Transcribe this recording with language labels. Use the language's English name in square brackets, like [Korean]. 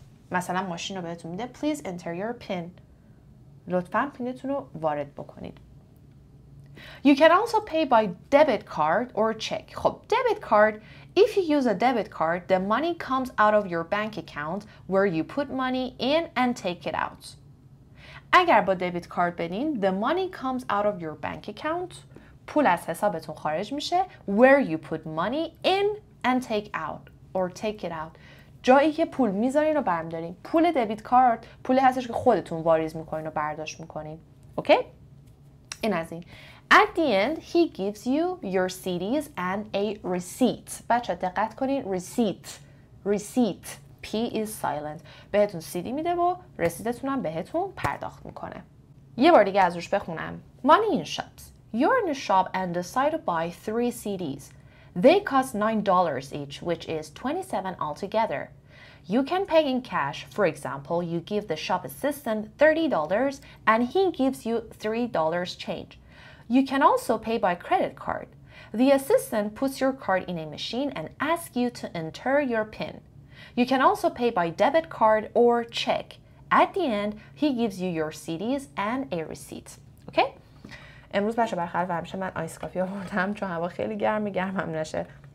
[Persian] مثلا ماشین رو بهتون میده. [English] Please enter your PIN. [Persian] لطفاً پینتون رو وارد بکنید. [English] You can also pay by debit card or check. خب debit card, if you use a debit card, the money comes out of your bank account where you put money in and take it out. [Persian] اگر با debit card بدین, [English] the money comes out of your bank account, [Persian] پول از حسابتون خارج میشه, [English] where you put money in and take out or take it out. [Persian] جایی که پول میذارین و برمیدارین. پول دبیت کارت پولی هستش که خودتون واریز میکنین و برداشت میکنین. اوکی؟ این از این. [English] At the end, he gives you your CDs and a receipt. [Persian] بچه دقت کنین. [English] Receipt. Receipt. P is silent. [Persian] بهتون CD میده و رسیدتون هم بهتون پرداخت میکنه. یه بار دیگه از روش بخونم. [English] Money in shops. You're in a shop and decide to buy 3 CDs. They cost $9 each, which is $27 altogether. You can pay in cash. For example, you give the shop assistant $30 and he gives you $3 change. You can also pay by credit card. The assistant puts your card in a machine and asks you to enter your PIN. You can also pay by debit card or check. At the end, he gives you your CDs and a receipt. Okay? [Persian] امروز بچه برخلاف همیشه من آیس کافی آوردم چون هوا خیلی گرمه، گرمم نشه.